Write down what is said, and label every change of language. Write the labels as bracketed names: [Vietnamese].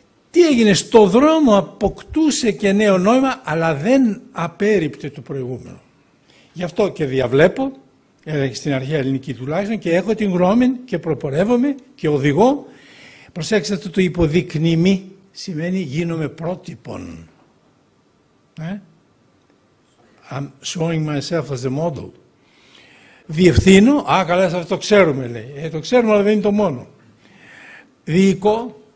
[Greek] Τι έγινε, στο δρόμο αποκτούσε και νέο νόημα, αλλά δεν απέρριπτε το προηγούμενο. Γι' αυτό και διαβλέπω, στην αρχαία ελληνική τουλάχιστον, και έχω την γνώμη και προπορεύομαι και οδηγώ. Προσέξτε αυτό το υποδεικνύμι, σημαίνει γίνομαι πρότυπον. [English] I'm showing myself as a model. [Greek] Διευθύνω, καλά, αυτό το ξέρουμε λέει, το ξέρουμε αλλά δεν είναι το μόνο. Διοικώ.